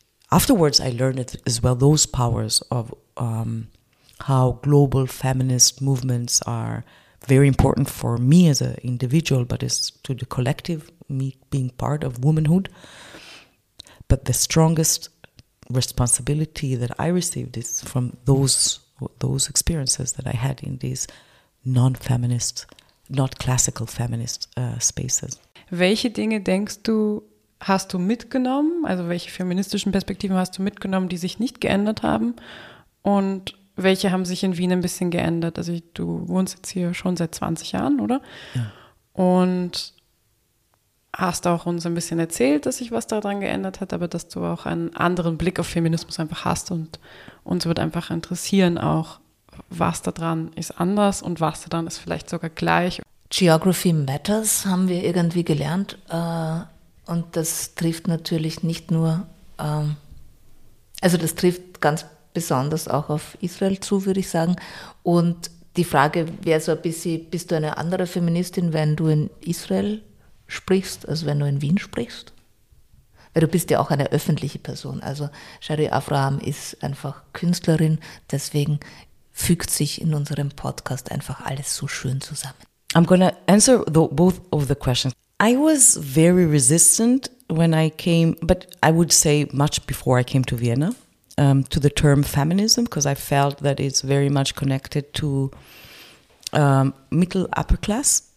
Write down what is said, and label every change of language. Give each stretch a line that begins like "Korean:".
English: afterwards I learned it as well, those powers of how global feminist movements are very important for me as an individual, but it's to the collective, me being part of womanhood. But the strongest responsibility that I received is from those experiences that I had in these non-feminist, not classical feminist spaces.
German: Welche Dinge denkst du, hast du mitgenommen? Also welche feministischen Perspektiven hast du mitgenommen, die sich nicht geändert haben? Und welche haben sich in Wien ein bisschen geändert? Also du wohnst jetzt hier schon seit 20 Jahren, oder? Ja. Und hast auch uns ein bisschen erzählt, dass sich was daran geändert hat, aber dass du auch einen anderen Blick auf Feminismus einfach hast und uns wird einfach interessieren auch, was daran ist anders und was daran ist vielleicht sogar gleich.
English: Geography matters,
German: haben wir irgendwie gelernt. Und das trifft natürlich nicht nur, also das trifft ganz besonders auch auf Israel zu, würde ich sagen. Und die Frage wäre so ein bisschen, bist du eine andere Feministin, wenn du in Israel sprichst, also wenn du in Wien sprichst? Weil du bist ja auch eine öffentliche Person. Also Shari Avraham ist einfach Künstlerin, deswegen fügt sich in unserem Podcast einfach alles so schön zusammen.
English: I'm gonna answer both of the questions. I was very resistant when I came, but I would say much before I came to Vienna, to the term feminism, because I felt that it's very much connected to middle upper class.